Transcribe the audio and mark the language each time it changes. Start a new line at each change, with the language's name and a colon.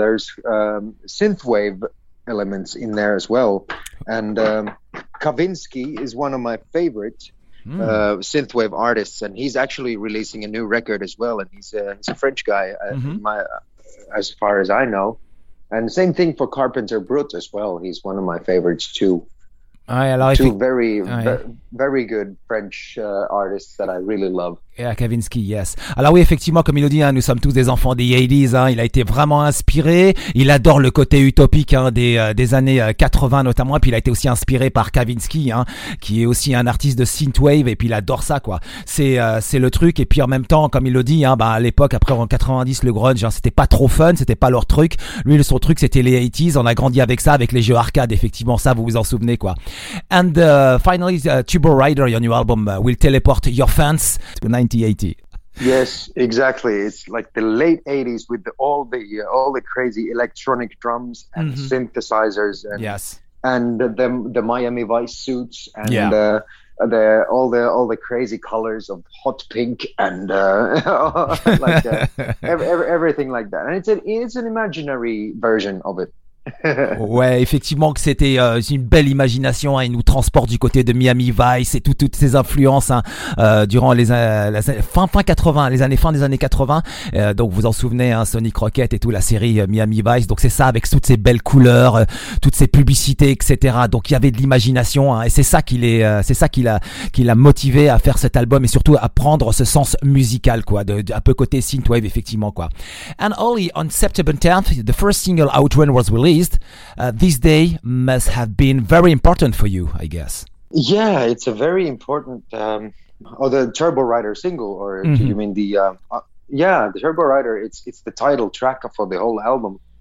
English: There's synthwave elements in there as well, and Kavinsky is one of my favorite synthwave artists, and he's actually releasing a new record as well, and he's a French guy, as far as I know. And same thing for Carpenter Brut as well. He's one of my favorites too.
French: Ouais, alors
English: very good French artists that I really love. Yeah, Kavinsky, yes.
French: Alors oui, effectivement, comme il nous dit, hein, nous sommes tous des enfants des 80s. Hein, il a été vraiment inspiré. Il adore le côté utopique hein, des années 80 notamment. Et puis il a été aussi inspiré par Kavinsky, hein, qui est aussi un artiste de synthwave. Et puis il adore ça, quoi. C'est le truc. Et puis en même temps, comme il le dit, hein, bah, à l'époque, après en 90, le grunge, hein, c'était pas trop fun. C'était pas leur truc. Lui, son truc, c'était les 80s. On a grandi avec ça, avec les jeux arcade. Effectivement, ça, vous vous en souvenez, quoi.
English: And finally, Turbo Rider, your new album, will teleport your fans to 1980. Yes, exactly. It's like the late 80s with all the crazy electronic drums and mm-hmm. synthesizers. And, yes. And the Miami Vice suits and yeah. all the crazy colors of hot pink and everything like that. And it's an imaginary version of it.
French: Ouais, effectivement que c'était une belle imagination hein, il nous transporte du côté de Miami Vice et toutes ces influences hein, durant les fins des années 80 donc vous en souvenez hein, Sonic Rocket et tout, la série Miami Vice, donc c'est ça, avec toutes ces belles couleurs, toutes ces publicités, etc. Donc il y avait de l'imagination hein, et c'est ça qui l'a motivé à faire cet album, et surtout à prendre ce sens musical quoi, de un peu côté synthwave effectivement quoi.
English: And only on September 10th the first single Outrun was released. This day must have been very important for you, I guess. Yeah, it's a very important the Turbo Rider single, or mm-hmm. do you mean the the Turbo Rider, it's the title track for the whole album.